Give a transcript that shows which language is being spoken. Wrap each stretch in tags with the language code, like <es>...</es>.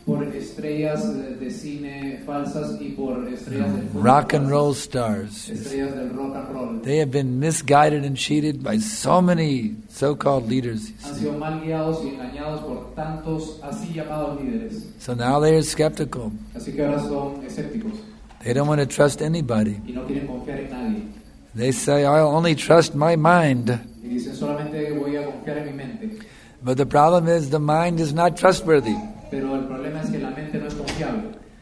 <es>Por estrellas de cine falsas y por estrellas de fútbol.</es> <en>Rock and roll stars.</en> <es>Estrellas del rock and roll.</es> <en>They have been misguided and cheated by so many so-called leaders.</en> <es>Han sido mal guiados y engañados por tantos así llamados líderes.</es> <en>So now they are skeptical.</en> <es>Así que ahora son escépticos.</es> <en>They don't want to trust anybody.</en> <es>Y no quieren confiar en nadie.</es> <en>They say, I'll only trust my mind.</en> <es>Y dicen, solamente voy a confiar en mi mente.</es> <en>But the problem is the mind is not trustworthy.</en> <es>Pero el problema es que la mente no es confiable.</es>